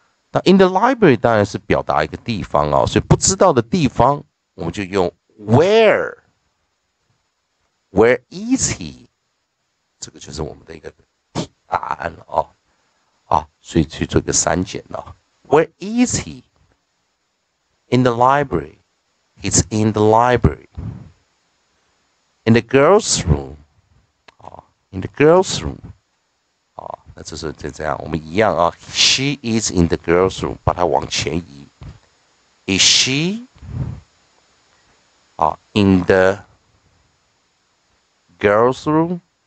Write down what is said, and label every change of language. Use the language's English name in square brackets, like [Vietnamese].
[Chinese] 那 [English] in the library [Chinese] 当然是表达一个地方所以不知道的地方我们就用 where。 [English] Where is he？ [Chinese] 这个就是我们的一个答案了所以去做一个删减了。 [English] Where is he？In the library，he's in the library。In the girls' room， in the girls' room. [Chinese] 哦，那就是这样，我们一样啊。 [English] She is in the girls' room， [Chinese] 把它往前移。 [English] Is she？啊，in the girls' room。